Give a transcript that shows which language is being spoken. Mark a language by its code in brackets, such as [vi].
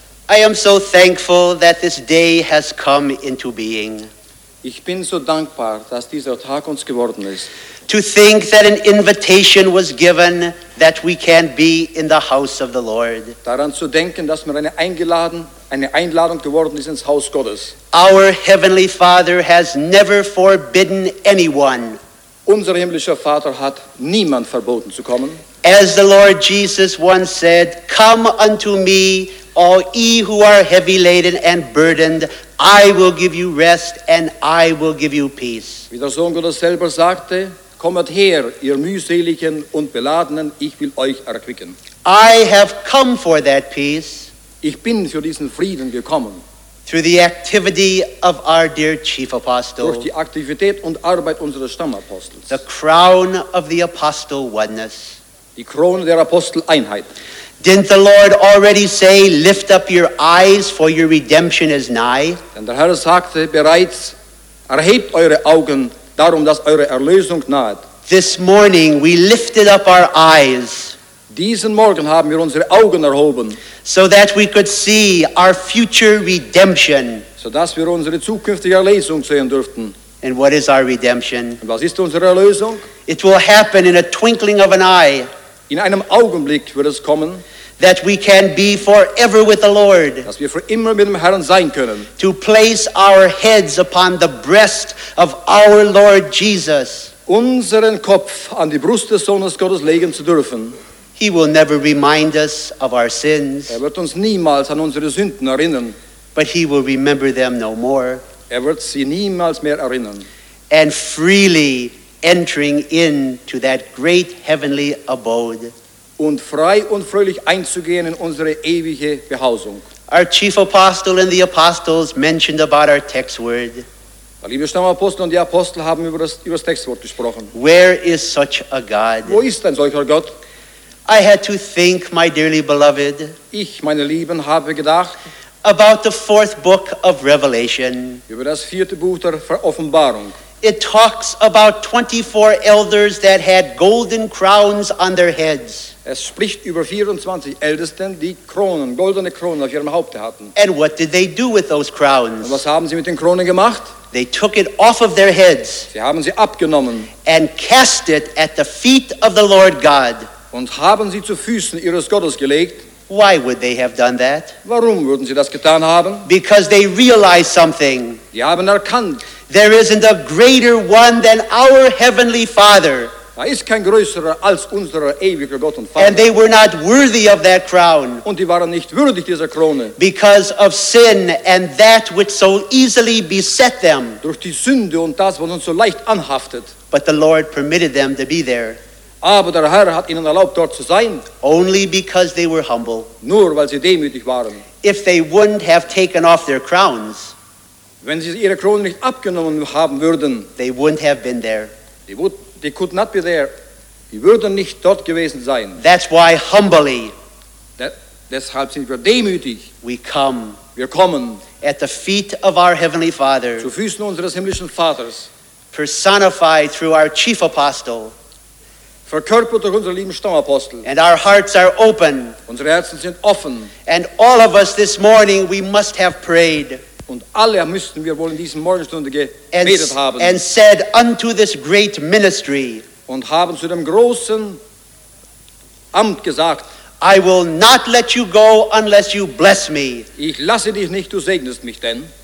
[en] I am so thankful that this day has come into being. [de] Ich bin so dankbar, dass dieser Tag uns geworden ist. [en] To think that an invitation was given that we can be in the house of the Lord. [de] Daran zu denken, dass man eine Einladung geworden ist ins Haus Gottes. [en] Our heavenly Father has never forbidden anyone. [de] Unser himmlischer Vater hat niemand verboten zu kommen. [en] As the Lord Jesus once said, "Come unto me, all ye who are heavy laden and burdened, I will give you rest and I will give you peace." [de] Wie der Sohn Gottes selber sagte, kommet her, ihr mühseligen und beladenen, ich will euch erquicken. [en] I have come for that peace. [de] Ich bin für diesen Frieden gekommen. [en] Through the activity of our dear chief apostle. [de] Durch die Aktivität und Arbeit unseres Stammapostels. [en] The crown of the apostle oneness. [de] Die Krone der Aposteleinheit. [en] Didn't the Lord already say, "Lift up your eyes, for your redemption is nigh"? [de] Denn der Herr sagte bereits, erhebt eure Augen, darum, dass eure Erlösung naht. [en] This morning we lifted up our eyes. [de] Diesen Morgen haben wir unsere Augen erhoben. [en] So that we could see our future redemption. [de] So dass wir unsere zukünftige Erlösung sehen durften. [en] And what is our redemption? [de] Und was ist unsere Erlösung? [en] It will happen in a twinkling of an eye. [de] In einem Augenblick wird es kommen. [en] That we can be forever with the Lord. [de] Dass wir für immer mit dem Herrn sein können. [en] To place our heads upon the breast of our Lord Jesus. [de] Unseren Kopf an die Brust des Sohnes Gottes legen zu dürfen. [en] He will never remind us of our sins. [de] Er wird uns niemals an unsere Sünden erinnern. [en] But he will remember them no more. [de] Er wird sie niemals mehr erinnern. [en] And freely entering into that great heavenly abode. [de] Und frei und fröhlich einzugehen in unsere ewige Behausung. [en] Our chief apostle and the apostles mentioned about our text word. [de] Der liebe Stammapostel und die Apostel haben über das Textwort gesprochen. [en] Where is such a God? [de] Wo ist ein solcher Gott? [en] I had to think, my dearly beloved. [de] Ich, meine Lieben, habe gedacht. [en] About the fourth book of Revelation. [de] Über das vierte Buch der Offenbarung. [en] It talks about 24 elders that had golden crowns on their heads. [de] Es spricht über 24 Ältesten, die Kronen, goldene Kronen auf ihrem Haupte hatten. [en] And what did they do with those crowns? [de] Und was haben sie mit den Kronen gemacht? [en] They took it off of their heads. [de] Sie haben sie abgenommen. [en] And cast it at the feet of the Lord God. [de] Und haben sie zu Füßen ihres Gottes gelegt. [en] Why would they have done that? [de] Warum würden sie das getan haben? [en] Because they realized something. [de] Sie haben erkannt. [en] There isn't a greater one than our heavenly Father. [de] Da ist kein größerer als unser ewiger Gott und Vater. [en] And they were not worthy of that crown. [de] Und die waren nicht würdig dieser Krone. [en] Because of sin and that which so easily beset them. [de] Durch die Sünde und das, was uns so leicht anhaftet. [en] But the Lord permitted them to be there. [de] Aber der Herr hat ihnen erlaubt, dort zu sein. [en] Only because they were humble. [de] Nur weil sie demütig waren. [en] If they wouldn't have taken off their crowns. [de] Wenn sie ihre Krone nicht abgenommen haben würden, [en] they wouldn't have been there. They could not be there. [de] Die würden nicht dort gewesen sein. [en] That's why humbly. [de] Deshalb sind wir demütig. [en] We come. [de] Wir kommen. [en] At the feet of our heavenly Father. [de] Zu Füßen unseres himmlischen Vaters. [en] Personified through our chief apostle. [de] Verkörpert durch unseren lieben Stammapostel. [en] And our hearts are open. [de] Unsere Herzen sind offen. [en] And all of us this morning we must have prayed. [de] Und alle müssten wir wohl in diesen Morgenstunden gebetet haben. [en] And said unto this great ministry. [de] Und haben zu dem großen Amt gesagt. [en] I will not let you go unless you bless me. [de] Ich lasse dich nicht, du segnest mich denn.